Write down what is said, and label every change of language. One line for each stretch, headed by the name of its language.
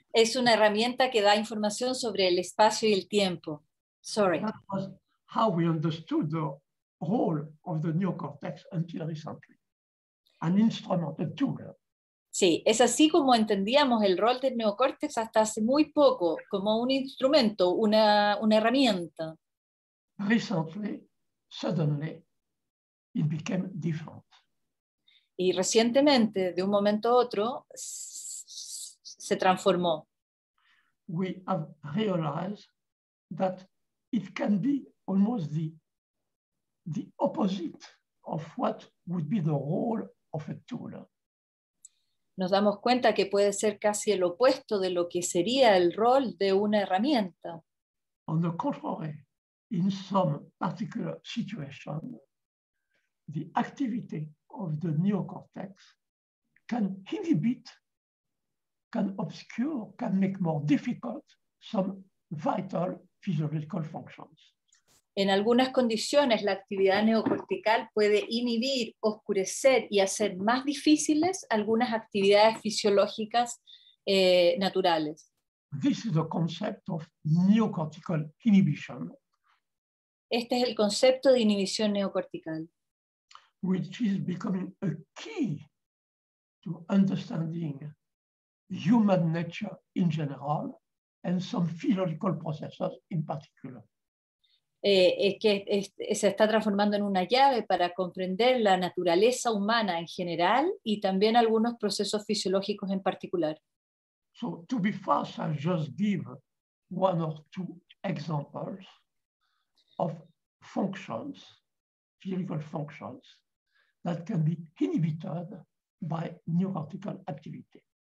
Spanish: Es una herramienta que da información sobre el espacio y el tiempo.
English: Sorry. How we understood the role of the neocortex until recently. An instrument, a tool.
Spanish: Sí, es así como entendíamos el rol del neocórtex hasta hace muy poco, como un instrumento, una herramienta.
English: Recently, suddenly, it became different.
Spanish: Y recientemente, de un momento a otro, se transformó.
English: We have realized that it can be almost the opposite of what would be the role of a tool.
Spanish: Nos damos cuenta que puede ser casi el opuesto de lo que sería el rol de una herramienta.
English: On the contrary, in some particular situations, the activity of the neocortex can inhibit, can obscure, can make more difficult some vital physiological functions.
Spanish: En algunas condiciones, la actividad neocortical puede inhibir, oscurecer y hacer más difíciles algunas actividades fisiológicas naturales.
English: This is the concept of neocortical inhibition.
Spanish: Este es el concepto de inhibición neocortical.
English: Which is becoming a key to understanding human nature in general and some physiological processes in particular.
Spanish: Se está transformando en una llave para comprender la naturaleza humana en general y también algunos procesos fisiológicos en particular.
English: So, to be fast, I'll just give one or two examples of functions, physical functions, that can be inhibited by neurological activity.